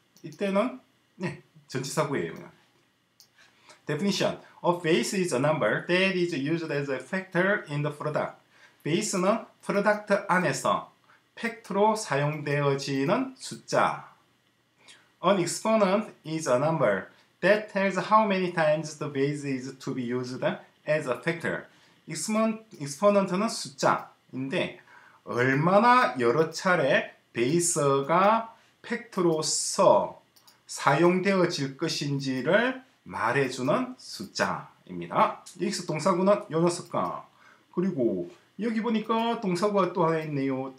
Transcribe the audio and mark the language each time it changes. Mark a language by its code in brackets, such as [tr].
[ko] 이때는 네, 전치사구예요. [en] Definition. A base is a number that is used as a factor in the product. [ko] Base는 product 안에서 팩트로 사용되어지는 숫자. [en] An exponent is a number that tells how many times the base is to be used as a factor. [ko] Exponent는 숫자인데 얼마나 여러 차례 베이스가 팩트로서 사용되어질 것인지를 말해주는 숫자입니다. 여기서 동사구는 요 녀석과 그리고 여기 보니까 동사구가 또 하나 있네요.